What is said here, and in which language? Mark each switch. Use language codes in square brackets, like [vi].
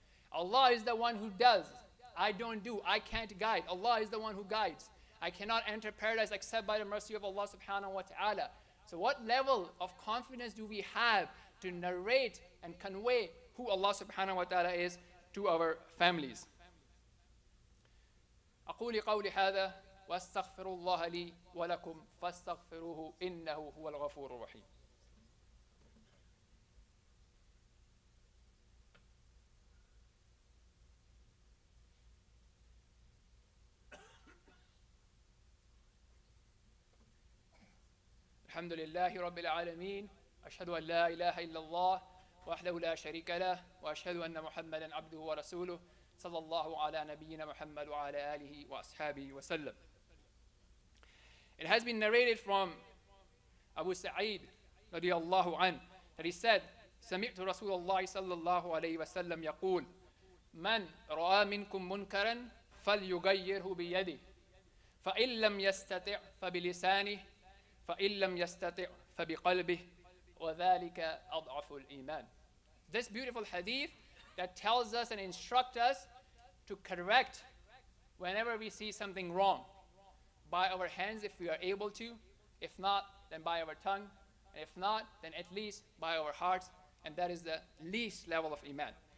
[en] Allah is the one who does. I don't do. I can't guide. Allah is the one who guides. I cannot enter paradise except by the mercy of Allah subhanahu wa ta'ala. So what level of confidence do we have to narrate and convey who Allah subhanahu wa ta'ala is to our families? [ar] أقول قولي هذا واستغفر الله لي ولكم فاستغفروه إنه هو الغفور الرحيم. الحمد لله رب العالمين أشهد أن لا إله إلا الله وحده لا شريك له وأشهد أن محمدا عبده ورسوله صلى الله على نبينا محمد وعلى آله وأصحابه وسلم. [en] It has been narrated from Abu Sa'id [ar] رضي الله عنه [en] that he said, [ar] سمعت رسول الله صلى الله عليه وسلم يقول من رأى منكم منكرا فليغيره بيده فإن لم يستطع فبلسانه فإن لم يستطع فبقلبه وذلك أضعف الإيمان. [en] This beautiful hadith that tells us and instructs us to correct whenever we see something wrong by our hands if we are able to, if not, then by our tongue, and if not, then at least by our hearts, and that is the least level of iman.